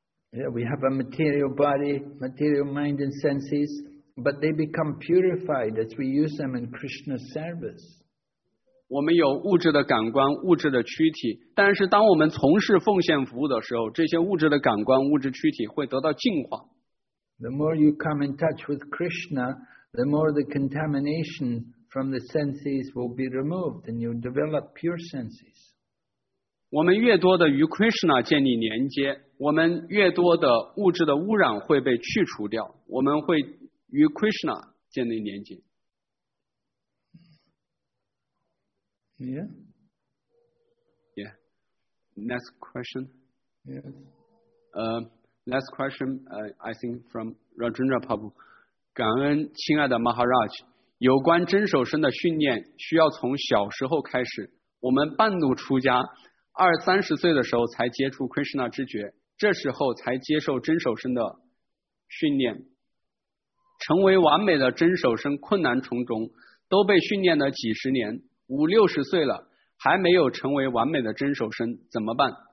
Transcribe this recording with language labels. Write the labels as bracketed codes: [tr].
[en] Yeah, we have a material body, material mind and senses, but they become purified as we use them in Krishna's service. [zh] 我们有物质的感官、物质的躯体，但是当我们从事奉献服务的时候，这些物质的感官、物质躯体会得到净化。 [en] The more you come in touch with Krishna, the more the contamination from the senses will be removed and you develop pure senses. [zh] 我们越多的与 Krishna 建立连接，我们越多的物质的污染会被去除掉，我们会与 Krishna 建立连接。 [en] Yeah. Next question. Yes. Last question, I think from Rajendra Prabhu. [zh] 感恩亲爱的 Maharaj, 有关真守身的训练需要从小时候开始。我们半路出家，二三十岁的时候才接触 Krishna 知觉，这时候才接受真守身的训练。成为完美的真守身困难重重，都被训练了几十年，五六十岁了还没有成为完美的真守身，怎么办？